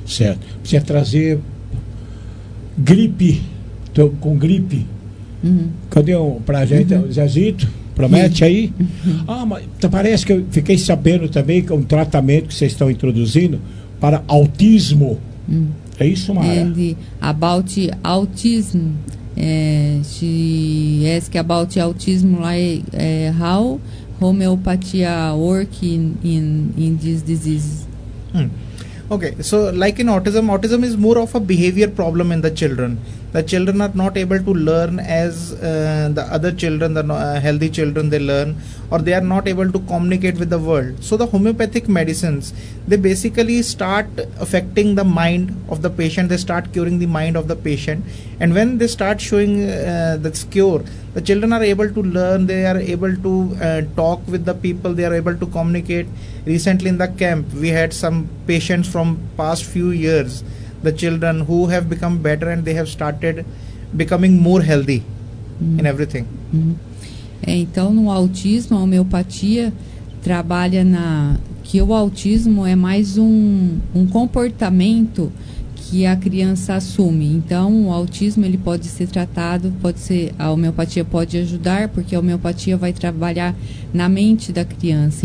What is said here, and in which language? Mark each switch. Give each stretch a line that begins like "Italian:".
Portuguese: Certo, precisa trazer gripe, tô com gripe. Cadê pra gente, Zezito? Promete aí? Parece que eu fiquei sabendo também que é um tratamento que vocês estão introduzindo para autismo. É isso, Mara?
English: And about autism. She asked about autism, like how homeopathia work in this disease. Okay, so like in autism is more of a behavior problem in the children. The children are not able to learn as the other children, the healthy children, they learn, or they are not able to communicate with the world. So the homeopathic medicines, they basically start affecting the mind of the patient, they start curing the mind of the patient, and when they start showing this cure, the children are able to learn, they are able to talk with the people, they are able to communicate. Recently in the camp, we had some patients from past few years, the children who have become better and they have started becoming more healthy in everything.
Portuguese: Então, no autismo, a homeopatia trabalha na... que o autismo é mais um comportamento que a criança assume. Então, o autismo, ele pode ser tratado, a homeopatia pode ajudar, porque a homeopatia vai trabalhar na mente da criança.